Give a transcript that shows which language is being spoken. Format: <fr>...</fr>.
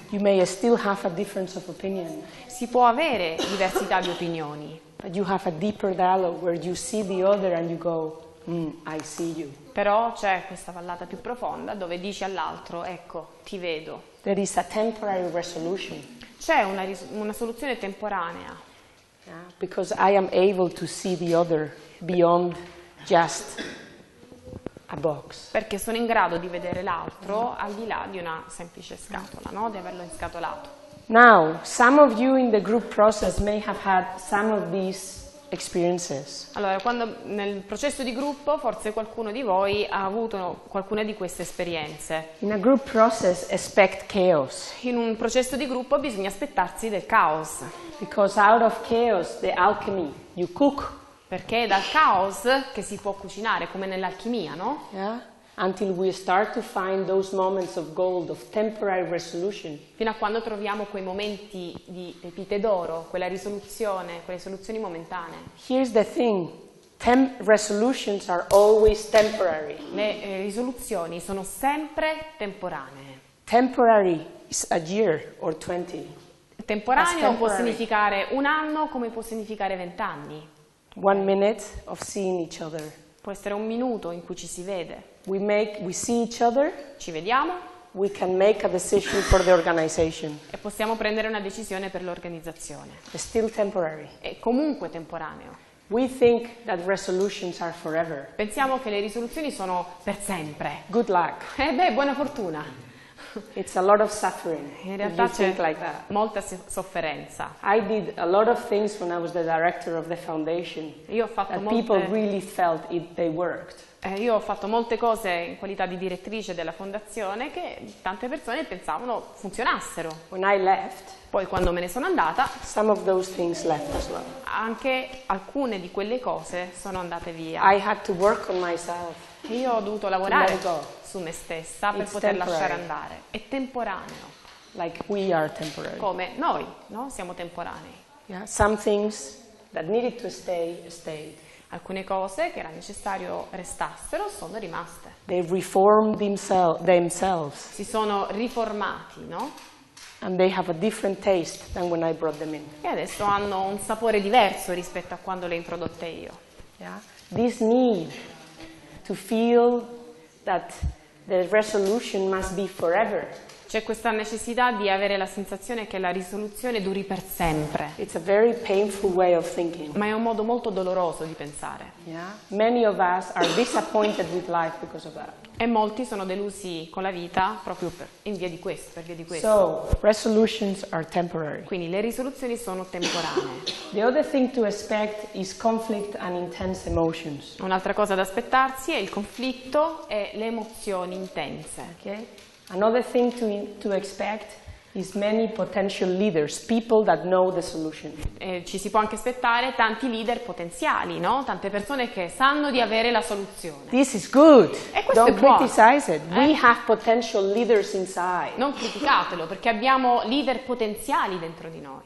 <en>You may still have a difference of opinion.</en> <it>Si può avere diversità di opinioni.</it> <en>But you have a deeper dialogue where you see the other and you go, I see you.</en> <it>Però c'è questa vallata più profonda dove dici all'altro, ecco, ti vedo.</it> <en>There is a temporary resolution.</en> <it>C'è una soluzione temporanea.</it> <en>Yeah, because I am able to see the other beyond just a box.</en> <it>Perché sono in grado di vedere l'altro al di là di una semplice scatola, no? Di averlo inscatolato.</it> <en>Now, some of you in the group process may have had some of these experiences.</en> <it>Allora, quando nel processo di gruppo, forse qualcuno di voi ha avuto qualcuna di queste esperienze.</it> <en>In a group process, expect chaos.</en> <it>In un processo di gruppo bisogna aspettarsi del caos.</it> <en>Because out of chaos, the alchemy, you cook.</en> <it>Perché è dal caos che si può cucinare, come nell'alchimia, no?</it> <en>Yeah. Until we start to find those moments of gold, of temporary resolution.</en> <it>Fino a quando troviamo quei momenti di pepite d'oro, quella risoluzione, quelle soluzioni momentanee.</it> <en>Here's the thing. Resolutions are always temporary.</en> <it>Le risoluzioni sono sempre temporanee.</it> <en>Temporary is a year or 20.</en> <it>Temporaneo può significare un anno come può significare 20 anni.</it> <en>One minute of seeing each other.</en> <it>Può essere un minuto in cui ci si vede.</it> <en>We see each other.</en> <it>Ci vediamo.</it> <en>We can make a decision for the organization.</en> <it>E possiamo prendere una decisione per l'organizzazione.</it> <en>It's still temporary.</en> <it>È comunque temporaneo.</it> <en>We think that resolutions are forever.</en> <it>Pensiamo che le risoluzioni sono per sempre.</it> <en>Good luck.</en> <it>Buona fortuna.</it> <en>It's a lot of suffering.</en> <it>In realtà c'è molta sofferenza.</it> <en>I did a lot of things when I was the director of the foundation.</en> <it>Io ho fatto molte.</it> <en>People really felt it, they worked.</en> <it>Io ho fatto molte cose in qualità di direttrice della fondazione che tante persone pensavano funzionassero.</it> <en>When I left,</en> <it>poi quando me ne sono andata,</it> <en>some of those things left as well.</en> <it>Anche alcune di quelle cose sono andate via.</it> <en>I had to work on myself.</en> <it>Io ho dovuto lavorare su me stessa per poter lasciare andare. È temporaneo.</it> <en>Like we are temporary.</en> <it>Come noi, no? Siamo temporanei.</it> <en>Yeah, some things that needed to stay stayed.</en> <it>Alcune cose che era necessario restassero sono rimaste.</it> <en>They reformed themselves.</en> <it>Si sono riformati, no?</it> <en>And they have a different taste than when I brought them in.</en> <it>E adesso hanno un sapore diverso rispetto a quando le introdotte io.</it> <en>Yeah. This need to feel that the resolution must be forever.</en> <it>C'è questa necessità di avere la sensazione che la risoluzione duri per sempre.</it> <en>It's a very painful way of thinking.</en> <it>Ma è un modo molto doloroso di pensare.</it> <en>Yeah. Many of us are disappointed with life because of that.</en> <it>E molti sono delusi con la vita proprio per via di questo.</it> <en>So, resolutions are temporary.</en> <it>Quindi le risoluzioni sono temporanee.</it> <en>The other thing to expect is conflict and intense emotions.</en> <it>Un'altra cosa da aspettarsi è il conflitto e le emozioni intense.</it> <en>Okay. Another thing to expect is many potential leaders, people that know the solution.</en> <it>Ci si può anche aspettare tanti leader potenziali, no? Tante persone che sanno di avere la soluzione.</it> <en>This is good.</en> <it>E questo</it> <en>Don't</en> <it>è buono.</it> <en>Criticize it. We have potential leaders inside.</en> <it>Non criticatelo, perché abbiamo leader potenziali dentro di noi.</it>